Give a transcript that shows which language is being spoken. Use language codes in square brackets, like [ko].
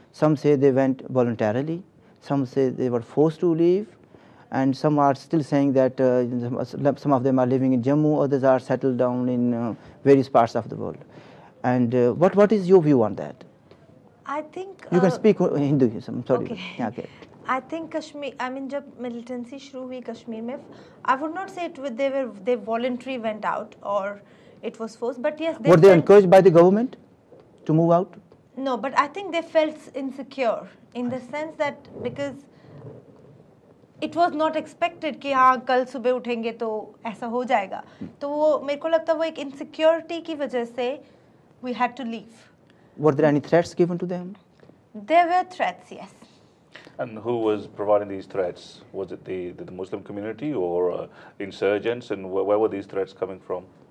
[en] Some say they went voluntarily, some say they were forced to leave, and some are still saying that some of them are living in Jammu, others are settled down in various parts of the world, and what is your view on that? I think you can speak Hinduism. Sorry. Okay. Okay. I think Kashmir. I mean, [hi] जब militancy शुरू हुई कश्मीर में, [en] I would not say they voluntarily went out or it was forced. But yes, were they encouraged by the government to move out? No, but I think they felt insecure in the sense that because it was not expected [hi] कि हाँ कल सुबह उठेंगे तो ऐसा हो जाएगा. तो वो मेरे को लगता है वो एक insecurity की वजह से [en] we had to leave. Were there any threats given to them? There were threats, yes. And who was providing these threats? Was it the Muslim community or insurgents? And where were these threats coming from?